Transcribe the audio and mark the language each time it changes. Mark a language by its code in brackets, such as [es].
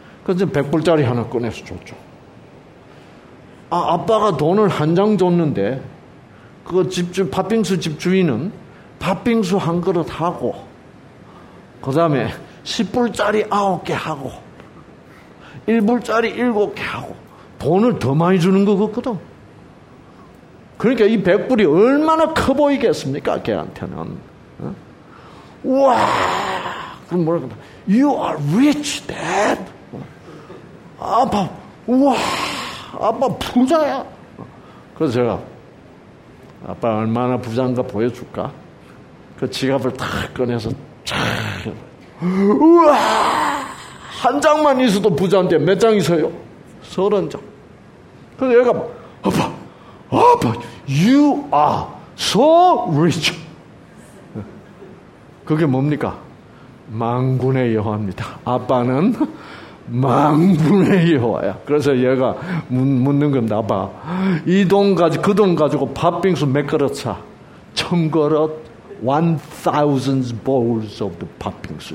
[ko] 그래서 100불짜리 하나 꺼내서 줬죠. 아, 아빠가 돈을 한 장 줬는데 그 집주, 팥빙수 집주인은 팥빙수 한 그릇 하고 그 다음에 10불짜리 9개 하고 1불짜리 7개 하고 돈을 더 많이 주는 거 같거든. 그러니까 이 100불이 얼마나 커 보이겠습니까 걔한테는. 어? 우와, 그럼 뭐랄까, [en] You are rich, Dad. [ko] 아빠, 우와, 아빠 부자야. 그래서 제가 아빠 얼마나 부자인가 보여줄까? 그 지갑을 탁 꺼내서 촥. 우와, 한 장만 있어도 부자인데 몇 장 있어요? 30장. 그래서 얘가 아빠 [en] You are so rich. [ko] 그게 뭡니까? 만군의 여호와입니다. 아빠는 만군의 여호와야. 그래서 얘가 묻는 겁니다. 아빠, 이 돈 가지고, 그 돈 가지고 팥빙수 몇 그릇 차? 천 그릇. [en] 1,000 bowls of the 팥빙수.